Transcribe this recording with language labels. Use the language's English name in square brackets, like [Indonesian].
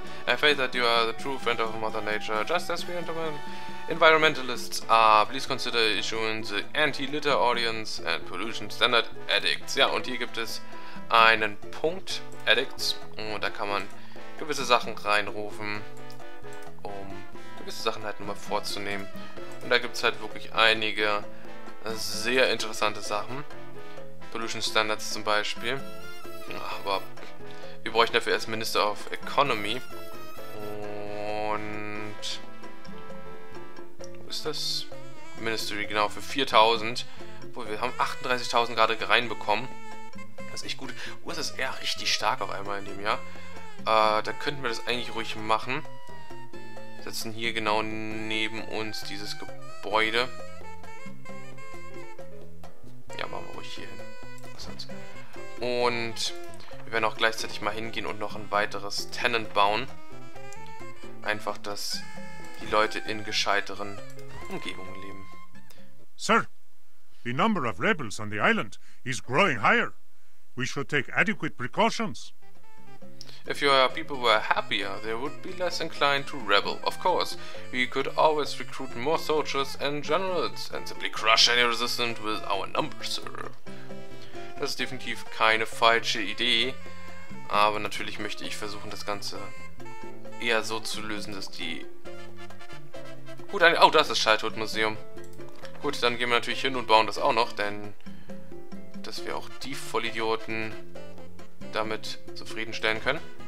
[English] I feel that you are the true friend of Mother Nature, just as we environmentalists are. Please consider issuing the anti-litter ordinance and pollution standard edicts. [German] Ja, und hier gibt es einen Punkt, Edicts, und da kann man gewisse Sachen reinrufen, um gewisse Sachen halt nur mal vorzunehmen. Und da gibt es halt wirklich einige sehr interessante Sachen. Pollution Standards zum Beispiel. Aber wir bräuchten dafür erst Minister of Economy. Und wo ist das? Ministry, genau, für 4000. Obwohl, wir haben 38.000 gerade reinbekommen. Das ist echt gut. Ist das eher richtig stark auf einmal in dem Jahr? Da könnten wir das eigentlich ruhig machen. Setzen hier genau neben uns dieses Gebäude. Ja, machen wir ruhig hier hin. Was soll's? Und wir werden auch gleichzeitig mal hingehen und noch ein weiteres Tenant bauen. Einfach, dass die Leute in gescheiteren Umgebungen leben. [English] Sir, the number of rebels on the island is growing higher. We should take adequate precautions. If your people were happier, they would be less inclined to rebel. Of course, we could always recruit more soldiers and generals and simply crush any resistance with our numbers, sir. [German] Das ist definitiv keine falsche Idee, aber natürlich möchte ich versuchen, das Ganze eher so zu lösen, dass die... Gut, oh, das ist das Schalltod-Museum. Gut, dann gehen wir natürlich hin und bauen das auch noch, denn dass wir auch die Vollidioten damit zufriedenstellen können.